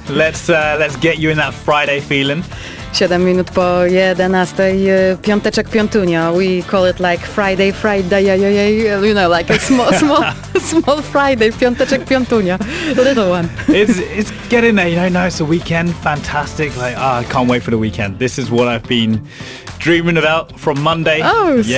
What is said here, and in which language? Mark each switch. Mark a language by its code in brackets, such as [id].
[en] let's get you in that Friday feeling. [pl] 7 minut po 11, piąteczek piątunio. [en] We call it like Friday, you know, like a small Friday, [pl] piąteczek piątunio, [en] little one. It's getting there, you know, now it's a weekend, fantastic, like, I can't wait for the weekend. This is what I've been dreaming about from Monday. Oh, yeah.